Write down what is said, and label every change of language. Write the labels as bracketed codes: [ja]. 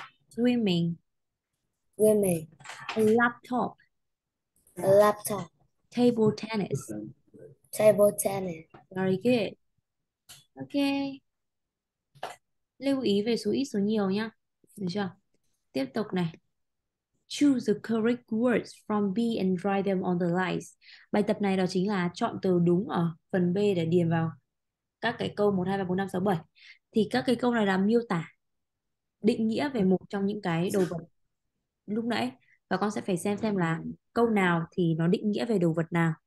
[en] swimming, Women. a laptop, A laptop. table tennis. Table tennis. Very good. Ok. [vi] Lưu ý về số ít số nhiều nhá. Được chưa? Tiếp tục này. [en] Choose the correct words from B and write them on the lines. [vi] Bài tập này đó chính là chọn từ đúng ở phần B để điền vào các cái câu 1, 2, 3, 4, 5, 6, 7. Thì các cái câu này là miêu tả định nghĩa về một trong những cái đồ vật lúc nãy. Và con sẽ phải xem là câu nào thì nó định nghĩa về đồ vật nào.